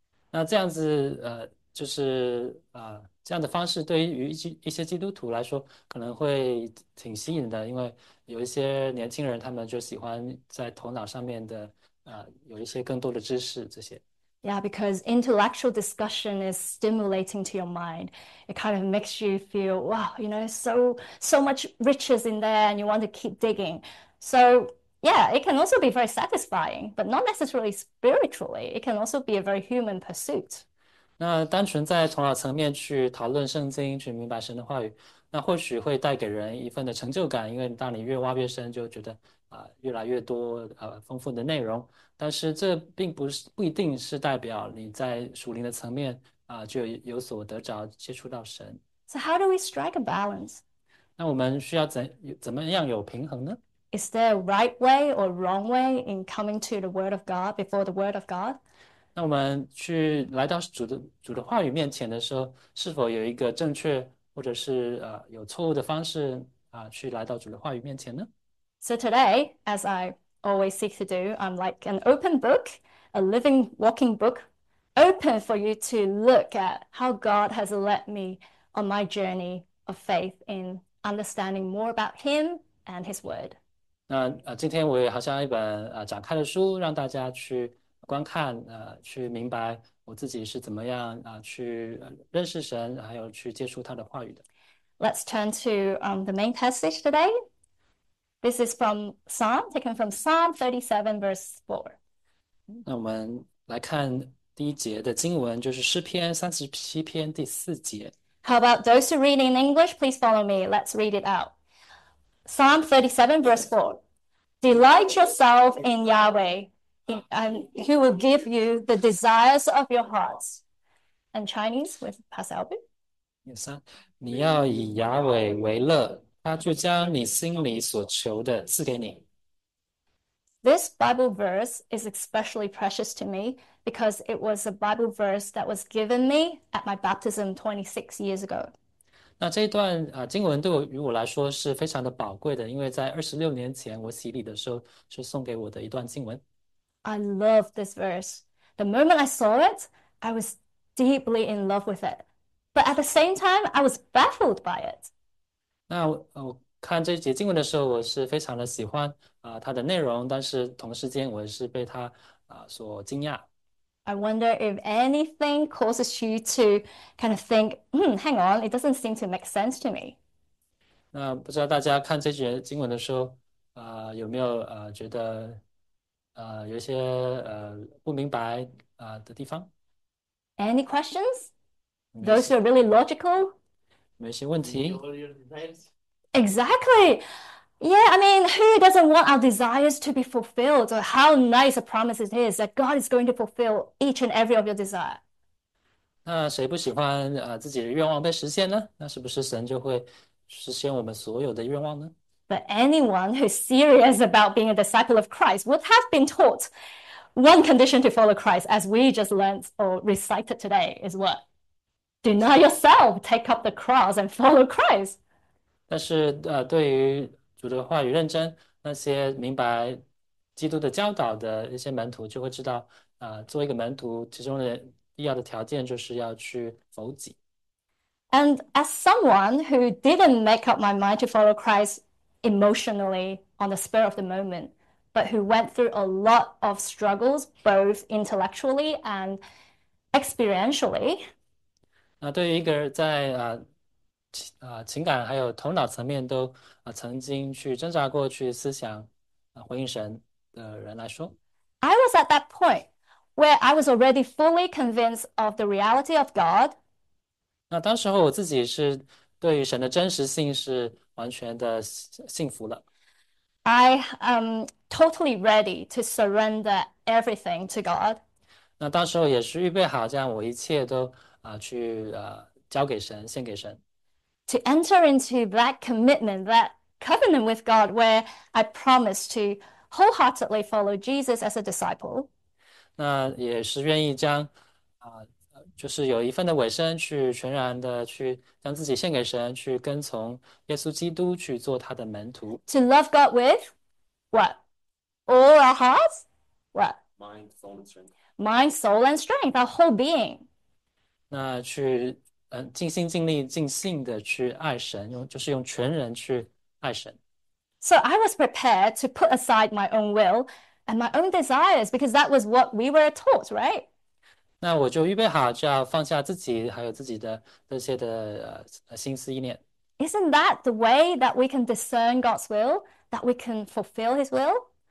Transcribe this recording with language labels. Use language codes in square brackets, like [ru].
[zh] 那这样子，就是这样的方式对于一些基督徒来说，可能会挺吸引的，因为有一些年轻人，他们就喜欢在头脑上面的有一些更多的知识这些。 [en] Yeah, because intellectual discussion is stimulating to your mind. It kind of makes you feel, wow, so much riches in there and you want to keep digging. So, yeah, it can also be very satisfying, but not necessarily spiritually. It can also be a very human pursuit. [zh] 那单纯在头脑层面去讨论圣经，去明白神的话语，那或许会带给人一份的成就感，因为当你越挖越深，就觉得越来越多丰富的内容。但是这并不一定是代表你在属灵的层面就有所得着，接触到神。 [en] So how do we strike a balance? [zh] 那我们需要怎么样有平衡呢？ [en] Is there a right way or wrong way in coming to the Word of God before the Word of God? [zh] 那我们去来到主的话语面前的时候，是否有一个正确或者是有错误的方式去来到主的话语面前呢？ [en] So today, as I always seek to do, I'm like an open book, a living, walking book, open for you to look at how God has led me on my journey of faith in understanding more about Him and His Word. [zh] 那今天我也好像一本展开的书，让大家去观看去明白我自己是怎么样去认识神，还有去接触他的话语的。 [en] Let's turn to the main passage today. This is from Psalm, taken from Psalm 37, verse 4. [zh] 那我们来看第一节的经文，就是诗篇37篇第四节。 [en] How about those who read in English? Please follow me. Let's read it out. Psalm 37, verse 4. Delight yourself in Yahweh, and He will give you the desires of your hearts. And Chinese with Pastor Albert. [zh] 三，你要以雅伟为乐，他就将你心里所求的赐给你。 [en] This Bible verse is especially precious to me because it was a Bible verse that was given me at my baptism 26 years ago. [zh] 那这一段经文对于我来说是非常的宝贵的，因为在26年前我洗礼的时候是送给我的一段经文。 [en] I love this verse. The moment I saw it, I was deeply in love with it. But at the same time, I was baffled by it. [zh] 那我看这一节经文的时候，我是非常的喜欢它的内容，但是同时间我是被它所惊讶。 [en] I wonder if anything causes you to kind of think, hang on, it doesn't seem to make sense to me. [zh] 那不知道大家看这节经文的时候有没有觉得有一些不明白的地方？ [en] Any questions? [zh] 没 [en] Those [zh] 事。 [en] who are really logical? [zh] 没些问题。 [en] Exactly. Yeah, I mean, who doesn't want our desires to be fulfilled? Or how nice a promise it is that God is going to fulfill each and every of your desire. [zh] 那谁不喜欢自己的愿望被实现呢？那是不是神就会实现我们所有的愿望呢？ [en] But anyone who's serious about being a disciple of Christ would have been taught one condition to follow Christ, as we just learned or recited today, is what? Deny yourself, take up the cross, and follow Christ. [zh] 但是，对于主的话语认真，那些明白基督的教导的一些门徒就会知道，做一个门徒其中的必要的条件就是要去否己。 [en] And as someone who didn't make up my mind to follow Christ emotionally on the spur of the moment, but who went through a lot of struggles, both intellectually and experientially. [zh] 那对于一个人在情感还有头脑层面都曾经去挣扎过去思想回应神的人来说， [en] I was at that point where I was already fully convinced of the reality of God. [zh] 那当时候我自己是对于神的真实性是完全的信服了。 [en] I am totally ready to surrender everything to God. [zh] 那当时候也是预备好将我一切都去交给神，献给神。 [en] To enter into that commitment, that covenant with God, where I promise to wholeheartedly follow Jesus as a disciple. [zh] 那也是愿意将，就是有一份的委身去全然的去将自己献给神，去跟从耶稣基督去做他的门徒。 [en] To love God with what? All our hearts? What? Mind, soul, and strength. Mind, soul, and strength, our whole being. [zh] 那去尽心尽力尽性的去爱神，就是用全人去爱神。 [en] So I was prepared to put aside my own will and my own desires because that was what we were taught, right? [zh] 那我就预备好，就要放下自己，还有自己的那些的心思意念。 [en] Isn't that the way that we can discern God's will, that we can fulfill His will?